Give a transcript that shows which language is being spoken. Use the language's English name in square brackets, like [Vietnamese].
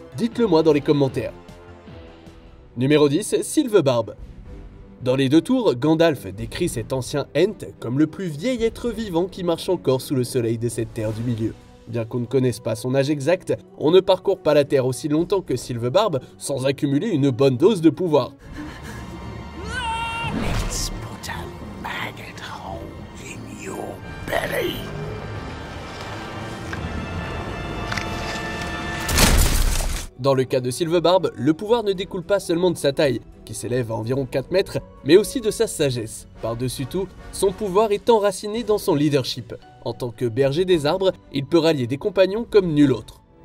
[French] Dites-le-moi dans les commentaires. Numéro 10, Silvebarbe. Dans les deux tours, Gandalf décrit cet ancien Ent comme le plus vieil être vivant qui marche encore sous le soleil de cette Terre du Milieu. Bien qu'on ne connaisse pas son âge exact, on ne parcourt pas la Terre aussi longtemps que Silvebarbe sans accumuler une bonne dose de pouvoir. [English] Let's put a maggot hole in your belly. [French] Dans le cas de Silvebarbe, le pouvoir ne découle pas seulement de sa taille, qui s'élève à environ 4 mètres, mais aussi de sa sagesse. Par-dessus tout, son pouvoir est enraciné dans son leadership. En tant que berger des arbres, il peut rallier des compagnons comme nul autre.